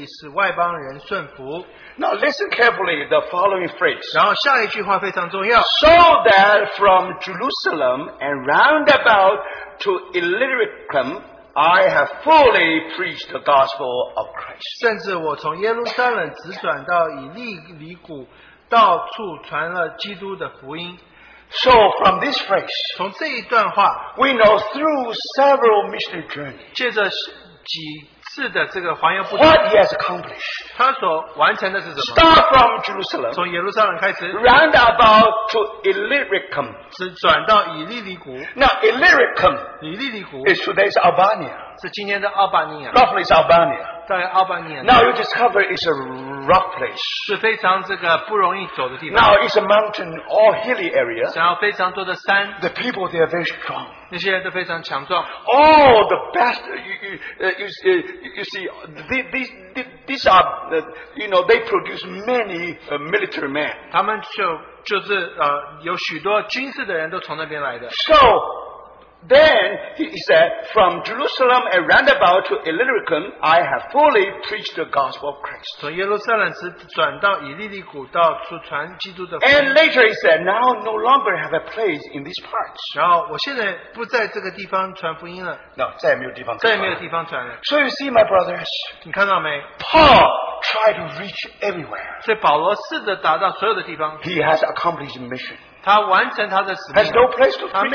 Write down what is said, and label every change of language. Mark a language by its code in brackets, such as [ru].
[zh] 除了基督界我的那些事我什么都不敢提，只是他借我言语作为用神奇神迹奇事的能力，并圣灵的能力使外邦人顺服。 [en] Now listen carefully the following phrase. [zh] 然后下一句话非常重要。 [en] So that from Jerusalem and round about to Illyricum, I have fully preached the gospel of Christ. [zh] 甚至我从耶路撒冷直转到以利里谷，到处传了基督的福音。 [en] So from this phrase, [zh] 从这一段话, [en] we know through several missionary journeys, [zh] 借着几 [en] what he has accomplished. Start from Jerusalem. [zh] 从耶路撒冷开始, [en] round about to Illyricum. Now Illyricum is today's Albania. [zh] 是今天的阿巴尼亚, [en] roughly it's Albania. [zh] 在阿巴尼亚, [en] now you discover it's a rough place. Now it's a mountain, all hilly area. The people there are very strong. All the best, you see, these are, they produce many military men. [zh] 他们就是有许多军事的人都从那边来的. [en] So, then he said, from Jerusalem and roundabout to Illyricum, I have fully preached the gospel of Christ. And later he said, now no longer have a place in these parts. [zh] No, 再也没有地方传了。 [en] So you see, my brothers, [zh] 你看到没? [en] Paul tried to reach everywhere. [zh] 所以保罗试着达到所有的地方, [en] he has accomplished mission. [zh] 他完成他的使命, [en] has no place to preach